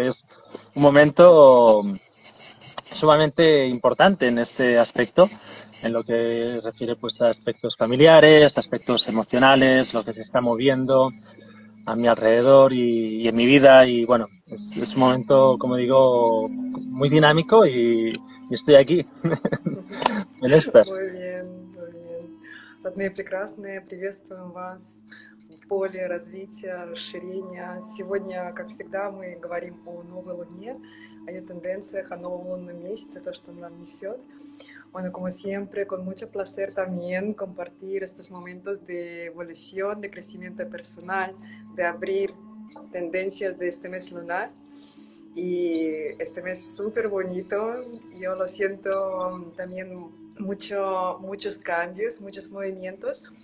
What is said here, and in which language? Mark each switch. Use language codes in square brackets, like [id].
[es] Es un momento sumamente importante en este aspecto, en lo que refiere pues a aspectos familiares, aspectos emocionales, lo que se está moviendo a mi alrededor y en mi vida. Y bueno, es un momento, como digo, muy dinámico y estoy aquí, en estas. Muy bien, muy bien. [ru] Родные прекрасные, приветствуем вас в поле развития, расширения. Сегодня, как всегда, мы говорим о новой луне, о ее тенденциях, о новом лунном месяце, то, что он нам несет. [es] Bueno, como siempre, con mucho placer también compartir estos momentos de evolución, de crecimiento personal, de abrir tendencias de este mes lunar. Y este mes es súper bonito, yo lo siento también muchos cambios, muchos movimientos.